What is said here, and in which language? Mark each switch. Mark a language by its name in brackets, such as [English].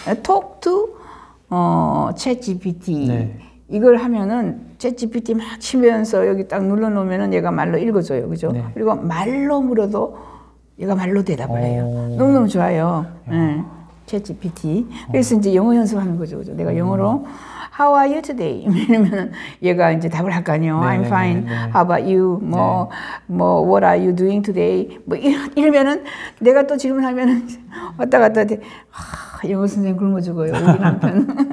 [English] Talk to ChatGPT. [Korean] 이걸 하면은 ChatGPT 막 치면서 여기 딱 눌러놓으면은 얘가 말로 읽어줘요, 그죠? 그리고 말로 물어도 얘가 말로 대답을 해요. 너무 너무 좋아요. ChatGPT. 그래서 이제 영어 연습하는 거죠, 그죠? 내가 영어로 [English] How are you today? [Korean] 이러면 얘가 이제 답을 할 거 아니에요. [English] 네, I'm fine. 네, 네. How about you? 뭐, 뭐, what are you doing today? [Korean] 뭐, 이러면은 내가 또 질문을 하면은 왔다 갔다 할 때, 영어 선생님 굶어 죽어요. 우리 남편.